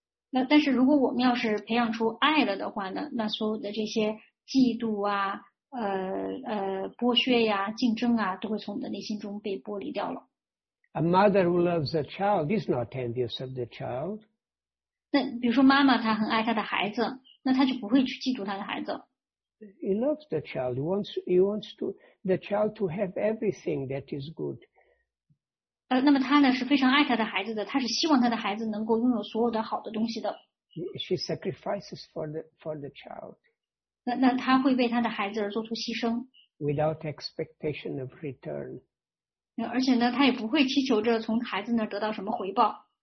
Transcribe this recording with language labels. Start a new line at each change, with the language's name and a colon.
Chinese: 那但是如果我们要是培养出爱了的话呢，那所有的这些嫉妒啊，剥削呀，竞争啊，都会从我们的内心中被剥离掉了。
English: A mother who loves a child is not envious of the child.
Chinese: 那比如说妈妈她很爱她的孩子，那她就不会去嫉妒她的孩子。
English: He loves the child. He wants to the child to have everything that is good.
Chinese: 那么她呢是非常爱她的孩子的，她是希望她的孩子能够拥有所有的好的东西的。
English: She sacrifices for the child.
Chinese: 那她会为她的孩子而做出牺牲。
English: Without expectation of return.
Chinese: 而且呢，她也不会祈求着从孩子那得到什么回报。